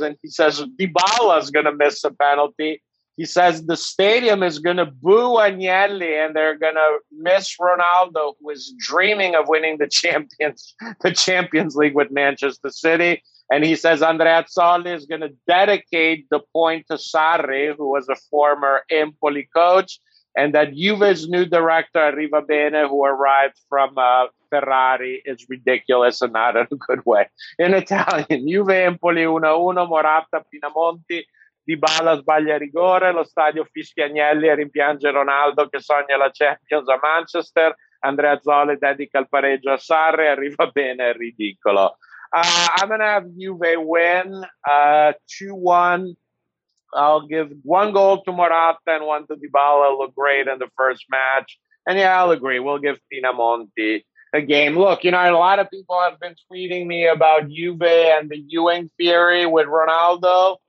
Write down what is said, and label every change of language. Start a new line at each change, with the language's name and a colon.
English: And he says Dybala is going to miss a penalty. He says the stadium is going to boo Agnelli and they're going to miss Ronaldo, who is dreaming of winning the Champions League with Manchester City. And he says Andrea Zolli is going to dedicate the point to Sarri, who was a former Empoli coach, and that Juve's new director, Arrivabene, who arrived from Ferrari is ridiculous and not in a good way.
Italian: In Italian, Juve Empoli 1-1, Morata, Pinamonti, Dybala sbaglia rigore, lo stadio fischia Agnelli e rimpiange Ronaldo che sogna la Champions a Manchester, Andrea Zoli dedica il pareggio a Sarri, arriva bene, è ridicolo.
English: I'm going to have Juve win 2-1. I'll give one goal to Morata and one to Dybala. Look great in the first match. And yeah, I'll agree. We'll give Pinamonti a game. Look, you know, a lot of people have been tweeting me about Juve and the Ewing theory with Ronaldo.